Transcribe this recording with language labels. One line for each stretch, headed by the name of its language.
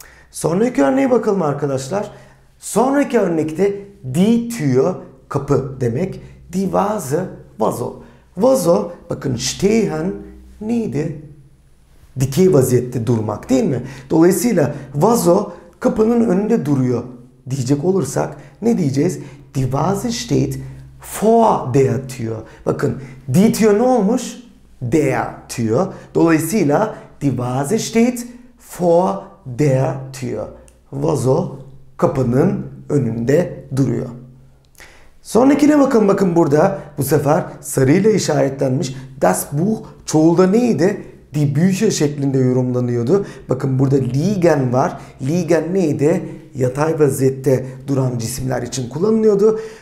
Turkish: Sonraki örneğe bakalım arkadaşlar. Sonraki örnekte die Tür kapı demek. Die Vase vazo. Vazo bakın stehen neydi? Dikey vaziyette durmak değil mi? Dolayısıyla vazo kapının önünde duruyor diyecek olursak ne diyeceğiz?
German: Die Vase steht vor der Tür.
Turkish: Bakın
German: die Tür
Turkish: ne olmuş?
German: Der Tür.
Turkish: Dolayısıyla
German: die Vase steht vor der Tür.
Turkish: Vazo kapının önünde duruyor. Sonrakine bakın bakın burada bu sefer sarıyla işaretlenmiş. Das Buch çoğulda neydi?
German: Die Bücher
Turkish: şeklinde yorumlanıyordu. Bakın burada liegen var. Liegen neydi? Yatay vaziyette duran cisimler için kullanılıyordu.